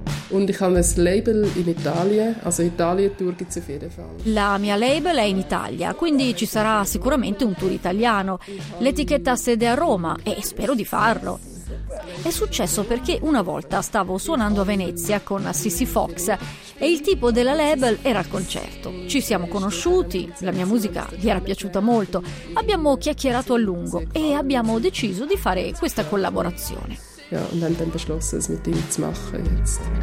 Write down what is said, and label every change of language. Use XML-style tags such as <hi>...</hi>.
<de>Und ich habe ein Label in Italien, also Italien-Tour gibt es auf jeden Fall.</de> <it>La mia Label è in Italia, quindi ci sarà sicuramente un tour italiano. L'etichetta ha sede a Roma e spero di farlo. È successo perché una volta stavo suonando a Venezia con Sissy Fox e il tipo della label era al concerto. Ci siamo conosciuti, la mia musica gli era piaciuta molto, abbiamo chiacchierato a lungo e abbiamo deciso di fare questa collaborazione.</it> <de>Ja, und haben dann beschlossen, es mit ihm zu machen jetzt.</de>